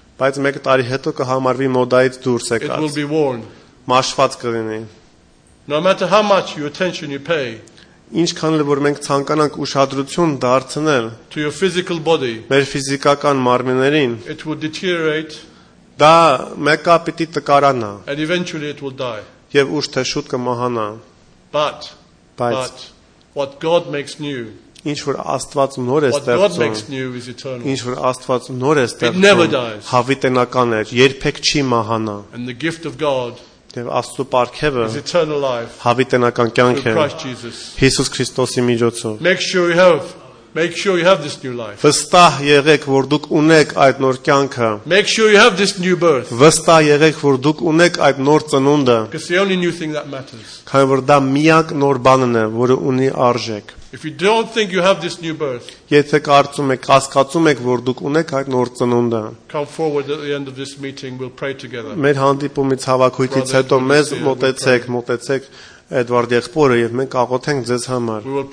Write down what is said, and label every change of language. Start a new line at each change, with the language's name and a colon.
Armenian: Բայց մեկ տարի հետո կհամարվի մոդայից դուրս եկած։ Մաշված կլինի։
English: No matter how much your attention you pay.
Armenian: Ինչքան էլ որ մենք ցանկանանք ուշադրություն դարձնել
English: to your physical body.
Armenian: Մեր ֆիզիկական մարմիններին.
English: It will deteriorate.
Armenian: Դա մեկ պիտի տկարանա։
English: And eventually it will die.
Armenian: Եվ ուշ թե շուտ կմահանա։
English: But what God makes new.
Armenian: Ինչ որ Աստված նոր է ստեղծում, ինչ որ Աստված նոր է ստեղծում, հավիտենական է, երբեք չի մահանա։ Եվ Աստծո պարգևը հավիտենական կյանք է Հիսուս Քրիստոսի միջոցով։
English: Make sure you have this new life.
Armenian: Վստահ եղեք, որ դուք ունեք այդ նոր կյանքը։
English: Make sure you have this new birth.
Armenian: Վստահ եղեք, որ դուք ունեք այդ նոր ծնունդը։
English: Because the only new thing that matters.
Armenian: Քանի որ դա միակ նոր բանն է, որը ունի արժեք։
English: If you don't think you have this new birth.
Armenian: Եթե կարծում եք, հասկացում եք, որ դուք ունեք այդ նոր ծնունդը։
English: Come forward at the end of this meeting, we'll pray together.
Armenian: Մեր հանդիպումից հավաքույթից հետո մեզ մոտեցեք Էդվարդ եղբորը եւ մենք աղոթենք ձեզ համար։